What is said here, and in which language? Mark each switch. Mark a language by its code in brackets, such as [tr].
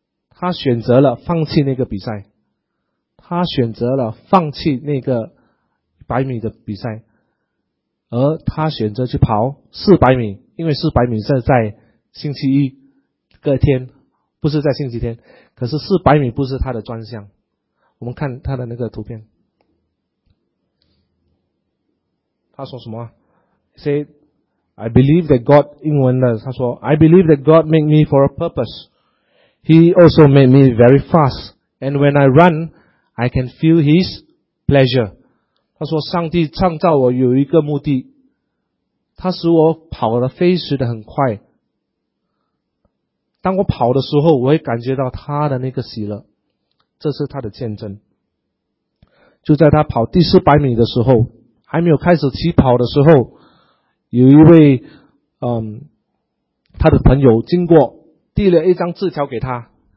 [zh] 他选择了放弃那个比赛，他选择了放弃那个100米的比赛，而他选择去跑400米，因为400米是在星期一隔天，不是在星期天，可是400米不是他的专项。我们看他的那个图片，他说什么？ [en] Say, I believe that God, [zh] 英文的，他说 [en] I believe that God made me for a purpose. He also made me very fast. And when I run, I can feel His pleasure. [zh] 他说上帝创造我有一个目的，他使我跑得飞驰得很快，当我跑的时候我会感觉到他的那个喜乐。这是他的见证。就在他跑第400米的时候，还没有开始起跑的时候，有一位他的朋友经过，递了一张字条给他。